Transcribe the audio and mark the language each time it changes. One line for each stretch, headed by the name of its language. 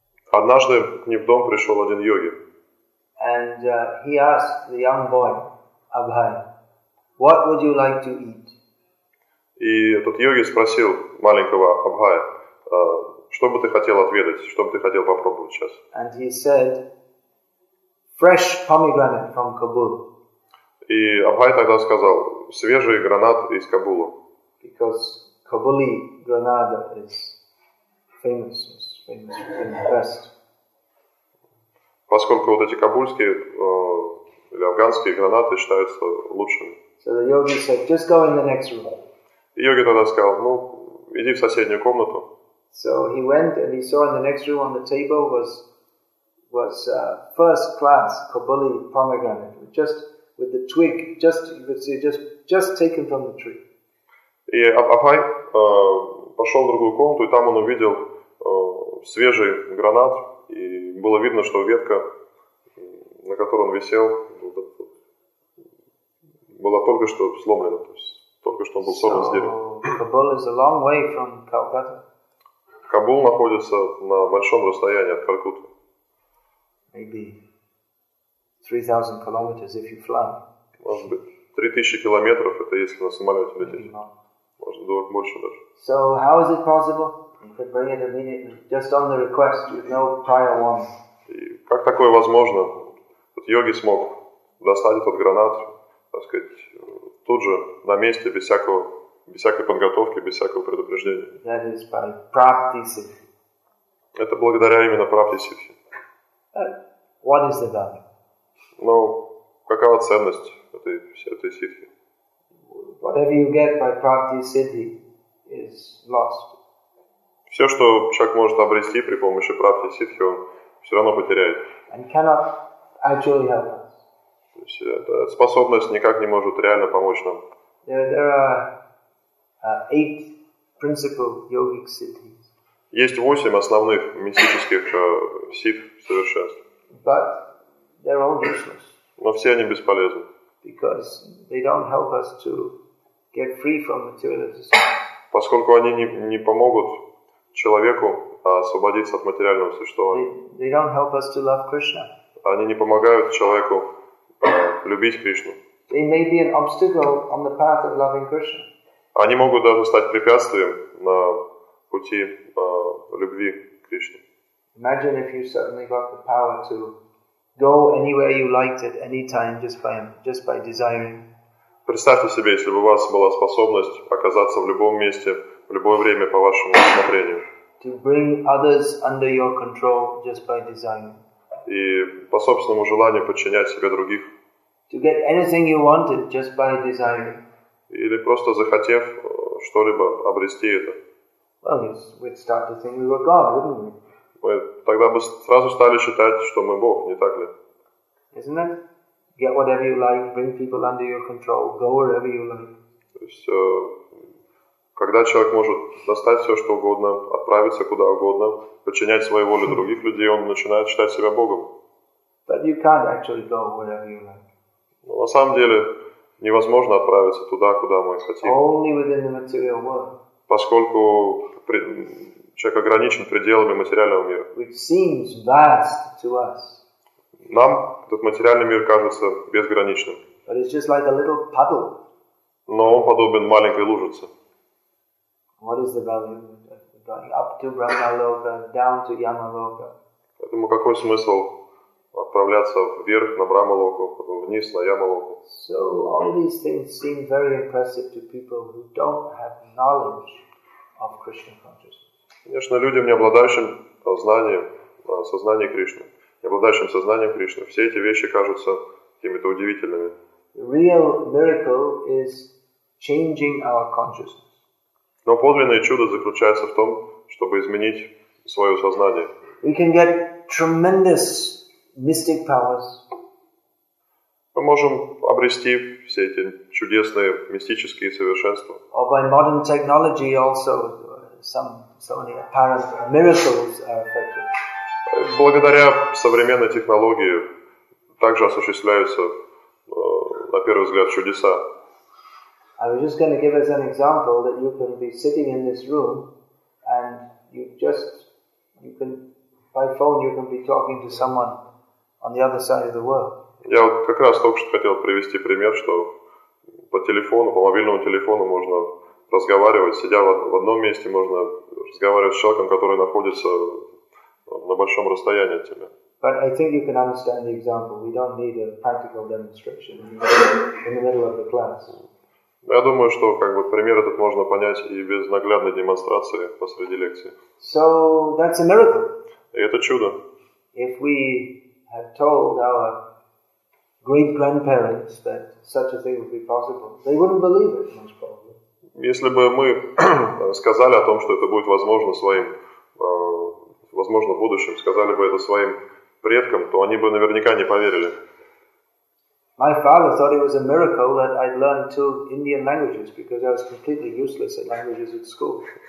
Russian: Однажды к ним в дом пришел один йоги.
English: And he asked the young boy, Abhay, what would you like to eat?
Russian: И этот йоги спросил маленького Абхая, что бы ты хотел отведать, что бы ты хотел попробовать сейчас?
English: And he said, fresh pomegranate from Kabul.
Russian: И Абхай тогда сказал, свежий гранат из Кабула.
English: Because Kabuli granada is famous in the West.
Russian: Поскольку вот эти кабульские или афганские гранаты считаются лучшими.
English: So the yogi said, just go in the next room.
Russian: И йоги тогда сказал, ну, иди в соседнюю комнату.
English: So he went and he saw in the next room on the table was first class Kabuli pomegranate, just with the twig, just you could see just taken from the tree.
Russian: И Абхай пошел в другую комнату, и там он увидел свежий гранат, и было видно, что ветка, на которой он висел, была только что сломлена, то есть только что он был сорван с дерева.
English: Kabul is a long way from Calcutta.
Russian: Кабул находится на большом расстоянии от Калькутты.
English: Maybe 3,000 kilometers if you fly.
Russian: Может быть, 3,000 километров, это если на самолете лететь. Можно думать больше даже.
English: So how is it possible? You could bring it immediately, just on the request, with no prior warning.
Russian: И как такое возможно? Вот йоги смог достать этот гранат, так сказать, тут же на месте без всякой подготовки, без всякого предупреждения.
English: That is by prapti siddhi.
Russian: Это благодаря именно прапти сиддхи.
English: What is the value?
Russian: Ну, какова ценность этой сиддхи?
English: Whatever you get by prapti siddhi is lost.
Russian: Все, что человек может обрести при помощи прапти сиддхи, он все равно потеряет.
English: And cannot actually help us.
Russian: То есть эта способность никак не может реально помочь нам.
English: There are 8 principal yogic siddhis.
Russian: Есть 8 основных мистических сидх совершенств.
English: But they're all useless.
Russian: Но все они бесполезны.
English: Because they don't help us to get free from materialism.
Russian: Поскольку они не помогут человеку освободиться от материального существования.
English: They don't help us to love Krishna.
Russian: Они не помогают человеку любить Кришну.
English: They may be an obstacle on the path of loving Krishna.
Russian: Они могут даже стать препятствием на пути любви к Кришне.
English: Imagine if you suddenly got the power to go anywhere you liked at any time just by desiring.
Russian: Представьте себе, если бы у вас была способность оказаться в любом месте в любое время по вашему усмотрению.
English: To bring others under your control just by desiring.
Russian: И по собственному желанию подчинять себе других.
English: To get anything you wanted just by desiring.
Russian: Или просто захотев что-либо обрести это.
English: Well, we'd start to think we were God, wouldn't we?
Russian: Мы тогда бы сразу стали считать, что мы Бог, не так ли?
English: Isn't it? Get whatever you like, bring people under your control, go wherever you like.
Russian: То есть, когда человек может достать все, что угодно, отправиться куда угодно, подчинять своей воле других людей, он начинает считать себя Богом.
English: But you can't actually go wherever you like.
Russian: Но на самом деле, невозможно отправиться туда, куда мы хотим.
English: Only within the material world.
Russian: Поскольку человек ограничен пределами материального мира.
English: Which seems vast to us.
Russian: Нам этот материальный мир кажется безграничным.
English: But it's just like a little puddle.
Russian: Но он подобен маленькой лужице.
English: What is the value of going up to Brahmaloka, down to Yamaloka?
Russian: Поэтому какой смысл отправляться вверх на Брахмалоку, вниз на Ямалоку?
English: So all these things seem very impressive to people who don't have knowledge of Krishna consciousness.
Russian: Конечно, людям, не обладающим знанием сознания Кришны, не обладающим сознанием Кришны, все эти вещи кажутся какими-то удивительными.
English: The real miracle is changing our consciousness.
Russian: Но подлинное чудо заключается в том, чтобы изменить свое сознание.
English: We can get tremendous mystic powers.
Russian: Мы можем обрести все эти чудесные мистические совершенства.
English: Or by modern technology also some apparent miracles are effective.
Russian: Благодаря современной технологии также осуществляются, на первый взгляд, чудеса.
English: I was just going to give us an example that you can be sitting in this room and you can be talking to someone on the other side of the world.
Russian: Я вот как раз только что хотел привести пример, что по телефону, по мобильному телефону можно разговаривать, сидя в одном месте, можно разговаривать с человеком, который находится на большом расстоянии от тебя.
English: But I think you can understand the example. We don't need a practical demonstration in the middle of the class.
Russian: Я думаю, что как бы пример этот можно понять и без наглядной демонстрации посреди лекции.
English: So that's a miracle.
Russian: И это чудо.
English: If we had told our great grandparents that such a thing would be possible, they wouldn't believe it, most probably.
Russian: Если бы мы сказали о том, что это будет возможно своим, возможно в будущем, сказали бы это своим предкам, то они бы наверняка не поверили.
English: My father thought it was a miracle that I'd learned 2 Indian languages because I was completely useless at languages at school.